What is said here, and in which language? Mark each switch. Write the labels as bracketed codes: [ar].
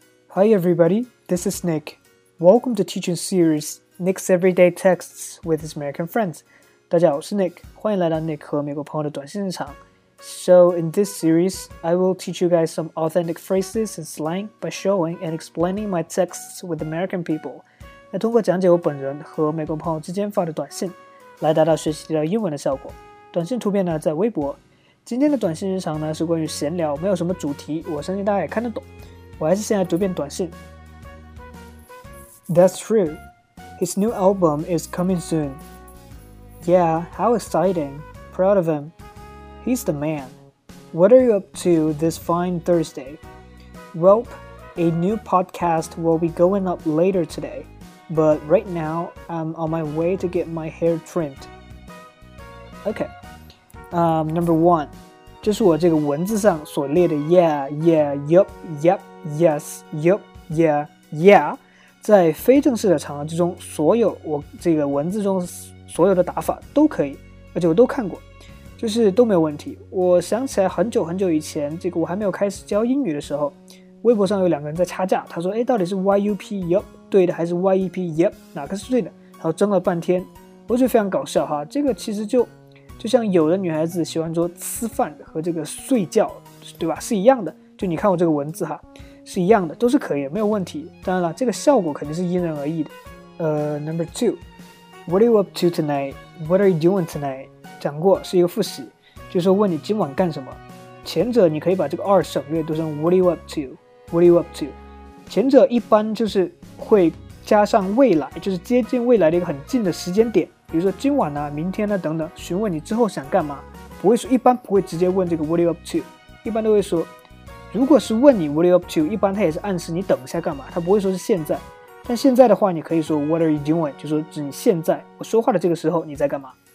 [en] Hi everybody, this is Nick. Welcome to teaching series Nick's Everyday Texts with his American friends. [zh] 大家好，我是 Nick， 欢迎来到 Nick 和美国朋友的短信日常。 [en] So in this series, I will teach you guys some authentic phrases and slang by showing and explaining my texts with American people. [zh] 来通过讲解我本人和美国朋友之间发的短信，来达到学习到英文的效果。短信图片呢在微博。今天的短信日常呢是关于闲聊，没有什么主题，我相信大家也看得懂。我还是先来读遍短信。 [en] That's true. His new album is coming soon. Yeah, how exciting. Proud of him. He's the man. What are you up to this fine Thursday? Welp, a new podcast will be going up later today. But right now, I'm on my way to get my hair trimmed. Okay. Number one. [zh] 就是我这个文字上所列的 [en] yeah, yeah, yup, yup, yes, yup, yeah, yeah [zh] 在非正式的场合之中，所有我这个文字中所有的打法都可以，而且我都看过，就是都没有问题。我想起来很久很久以前，这个我还没有开始教英语的时候，微博上有两个人在差价，他说哎，到底是 YUP, yup, 对的，还是 YEP, yup, 哪个是对的，然后争了半天，我觉得非常搞笑哈。这个其实就像有的女孩子喜欢说吃饭和这个睡觉，对吧，是一样的，就你看我这个文字哈，是一样的，都是可以，没有问题。当然了，这个效果肯定是因人而异的。 [en] Number two, what are you up to tonight? What are you doing tonight? [zh] 讲过是一个复习，就是说问你今晚干什么。前者你可以把这个二省略读成 [en] what are you up to? What are you up to? [zh] 前者一般就是会加上未来，就是接近未来的一个很近的时间点。比如说今晚呢，明天呢，等等，询问你之后想干嘛，不会说，一般不会直接问这个 [en] what are you up to， [zh] 一般都会说，如果是问你 what are you up to， 一般他也是暗示你等一下干嘛，他不会说是现在，但现在的话你可以说 [en] what are you doing， [zh] 就是说指你现在我说话的这个时候你在干嘛。